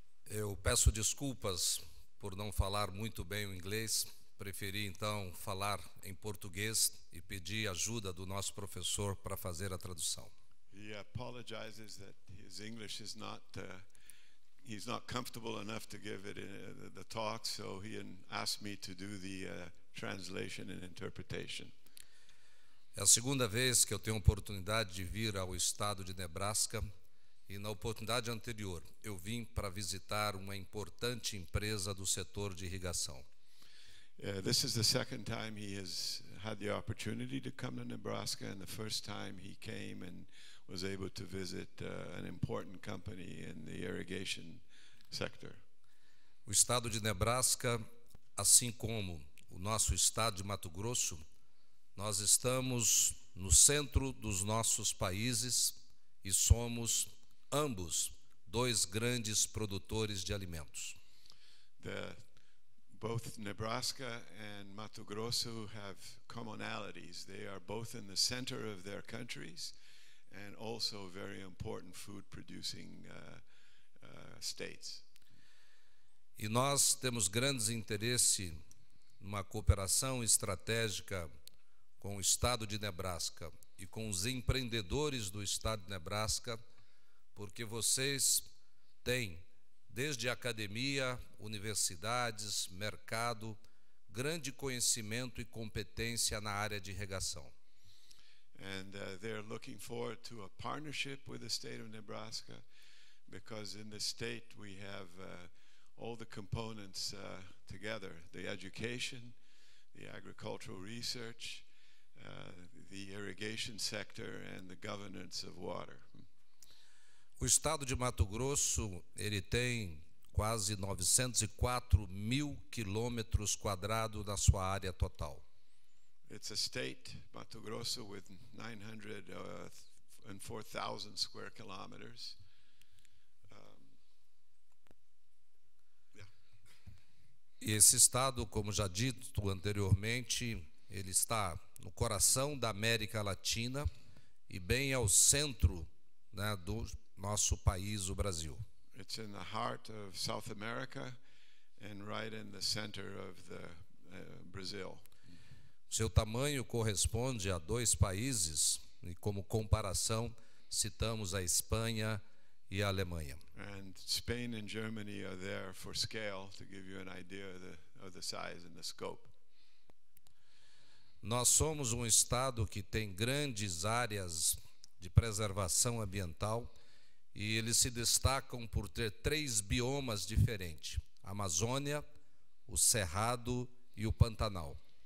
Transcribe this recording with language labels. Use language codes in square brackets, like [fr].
[pt] Eu peço desculpas por não falar muito bem o inglês, preferi então falar em português e pedi ajuda do nosso professor para fazer a tradução. [en] He apologizes that his English is not he's not comfortable enough to give it in the talk, so he asked me to do the translation and interpretation. [pt] É a segunda vez que eu tenho a oportunidade de vir ao estado de Nebraska. E na oportunidade anterior, eu vim para visitar uma importante empresa do setor de irrigação. [en] This is the second time he has had the opportunity to come to Nebraska, and the first time he came and was able to visit an important company in the irrigation sector. [pt] O estado de Nebraska, assim como o nosso estado de Mato Grosso, nós estamos no centro dos nossos países e somos ambos dois grandes produtores de alimentos. [en] Both Nebraska and Mato Grosso have commonalities. They are both in the center of their countries and also very important food producing states. [pt] E nós temos grandes interesse numa cooperação estratégica com o estado de Nebraska e com os empreendedores do estado de Nebraska, porque vocês têm, desde academia, universidades, mercado, grande conhecimento e competência na área de irrigação. [en] And they're looking forward to a partnership with the state of Nebraska, because in the state we have all the components together, the education, the agricultural research, the irrigation sector and the governance of water. [pt] O estado de Mato Grosso, ele tem quase 904 mil quilômetros quadrados na sua área total. [en] It's a state, Mato Grosso, with 904,000 square kilometers. [pt] E esse estado, como já dito anteriormente, ele está no coração da América Latina e bem ao centro, né, do nosso país, o Brasil. [en] It's in the heart of South America and right in the center of the Brazil. [pt] Seu tamanho corresponde a dois países, e como comparação, citamos a Espanha e a Alemanha. [en] And Spain and Germany are there for scale, to give you an idea of the size and the scope. [pt] Nós somos um estado que tem grandes áreas de preservação ambiental e eles se destacam por ter três biomas diferentes: a Amazônia, o Cerrado e o Pantanal.